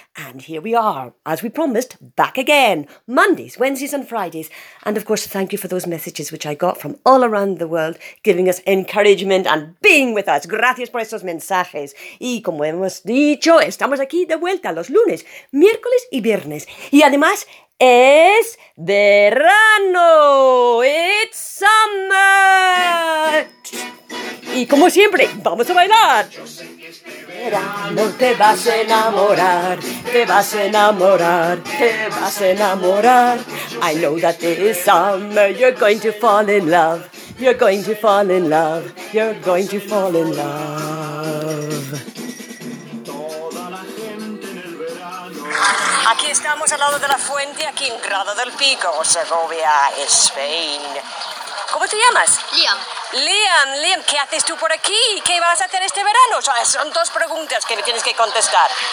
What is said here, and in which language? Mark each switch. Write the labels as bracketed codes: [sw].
[en] And here we are, as we promised, back again. Mondays, Wednesdays and Fridays. And of course, thank you for those messages which I got from all around the world, giving us encouragement and being with us. [es] Gracias por esos mensajes. Y como hemos dicho, estamos aquí de vuelta los lunes, miércoles y viernes. Y además, es verano. [en] It's summer. [es] Y como siempre, vamos a bailar. Yo sé que es verano, te vas a enamorar, te vas a enamorar, te vas a enamorar. [en] I know that it's summer, you're going to fall in love, you're going to fall in love, you're going to fall in love. [es] Aquí estamos al lado de la fuente, aquí en Grado del Pico, Segovia, Spain. ¿Cómo te llamas? Liam. Liam, ¿qué haces tú por aquí? ¿Qué vas a hacer este verano? O sea, son dos preguntas que me tienes que contestar.